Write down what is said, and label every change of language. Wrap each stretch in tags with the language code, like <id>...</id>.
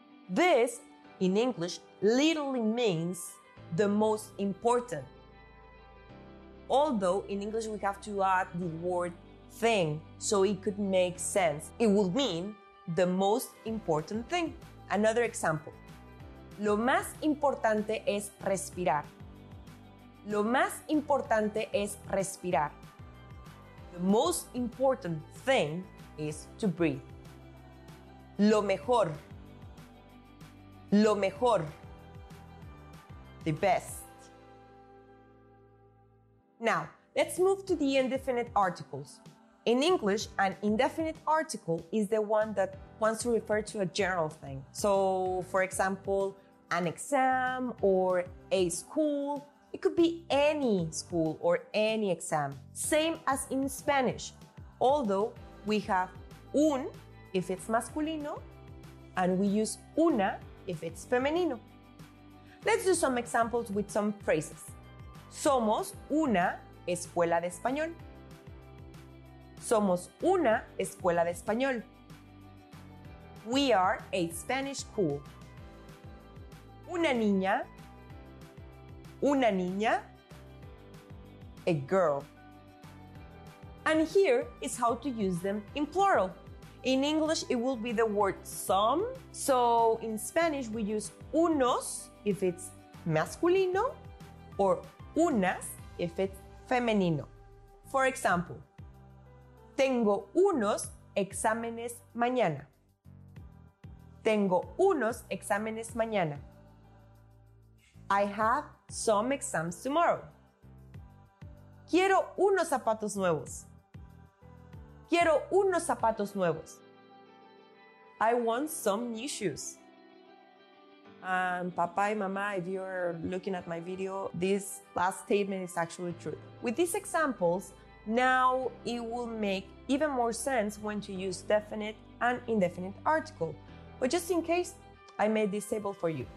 <en>This, in English, literally means the most important. Although, in English, we have to add the word thing, so it could make sense. It would mean the most important thing. Another example.</en> <es>Lo más importante es respirar. Lo más importante es respirar.</es> <en>The most important thing is to breathe.</en> <es>Lo mejor. Lo mejor.</es> <en>The best. Now, let's move to the indefinite articles. In English, an indefinite article is the one that wants to refer to a general thing. So, for example, an exam or a school. It could be any school or any exam. Same as in Spanish. Although, we have un if it's masculino, and we use una if it's femenino. Let's do some examples with some phrases.</en> <es>Somos una escuela de español. Somos una escuela de español.</es> <en>We are a Spanish school.</en> <es>Una niña. Una niña.</es> <en>A girl. And here is how to use them in plural. In English, it will be the word some. So in Spanish, we use unos if it's masculino or unas if it's femenino. For example,</en> <es>tengo unos exámenes mañana. Tengo unos exámenes mañana.</es> <en>I have some exams tomorrow.</en> <es>Quiero unos zapatos nuevos. Quiero unos zapatos nuevos.</es> <en>I want some new shoes. Papá y mamá, if you're looking at my video, this last statement is actually true. With these examples, now it will make even more sense when to use definite and indefinite article. But just in case, I made this table for you.</en>